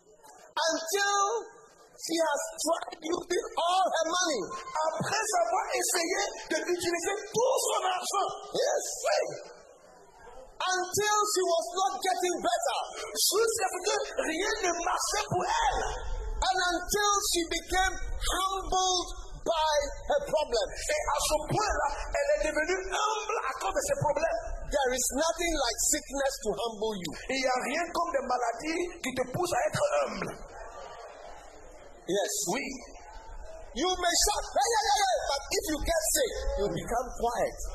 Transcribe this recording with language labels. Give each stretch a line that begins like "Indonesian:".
English: Until She has tried using all her money.
French: Après avoir essayé de l'utiliser tout son argent.
English: Yes.
French: Oui.
English: Until she was not getting better.
French: Jusqu'à ce que rien ne marchait pour elle.
English: And until she became humbled by her problem.
French: Et à ce point-là, elle est devenue humble à cause de ses problèmes.
English: There is nothing like sickness to humble you.
French: Il n'y a rien comme des maladies qui te poussent à être humble.
English: Yes.
French: Oui.
English: You may shout, hey, hey, hey, hey, but if you get sick, you become quiet.